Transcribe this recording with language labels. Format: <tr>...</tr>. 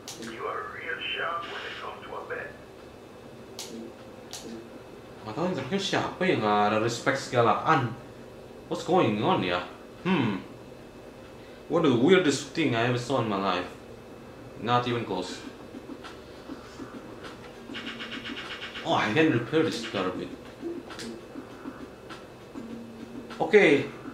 <en>You are real sharp when it comes to a bet.</en> <id>Atau yang terakhir siapa yang gak ada respect segalaan?</id> <en>What's going on ya? What the weirdest thing I ever saw in my life. Not even close. Oh, I can repair this car a bit. Okay.</en>